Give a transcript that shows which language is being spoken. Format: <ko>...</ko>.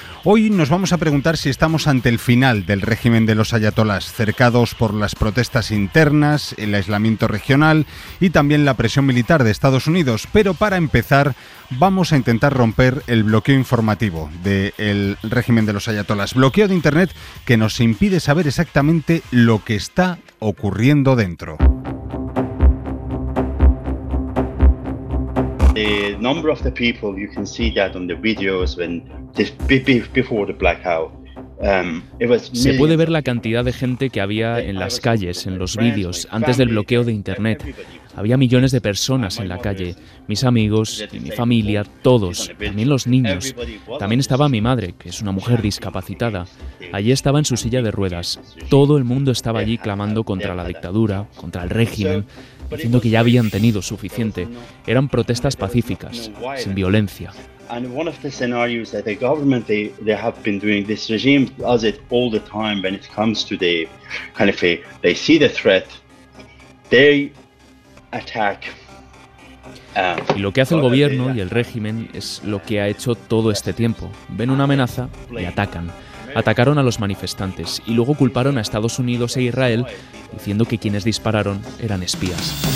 <es>Hoy nos vamos a preguntar si estamos ante el final del régimen de los ayatolás, cercados por las protestas internas, el aislamiento regional y también la presión militar de Estados Unidos. Pero para empezar, vamos a intentar romper el bloqueo informativo del régimen de los ayatolás. Bloqueo de Internet que nos impide saber exactamente lo que está ocurriendo dentro.</es> <en>The number of the people, you can see that on the videos when this before the blackout.</en> <es>Se puede ver la cantidad de gente que había en las calles, en los vídeos, antes del bloqueo de Internet. Había millones de personas en la calle, mis amigos y mi familia, todos, también los niños. También estaba mi madre, que es una mujer discapacitada. Allí estaba en su silla de ruedas. Todo el mundo estaba allí clamando contra la dictadura, contra el régimen, diciendo que ya habían tenido suficiente. Eran protestas pacíficas, sin violencia.</es> <en>And one of the scenarios that the government they have been doing, this regime does it all the time when it comes to the kind of they see the threat, they attack.</en> <es>Y lo que hace el gobierno y el régimen es lo que ha hecho todo este tiempo. Ven una amenaza y atacan. Atacaron a los manifestantes y luego culparon a Estados Unidos e Israel diciendo que quienes dispararon eran espías.</es>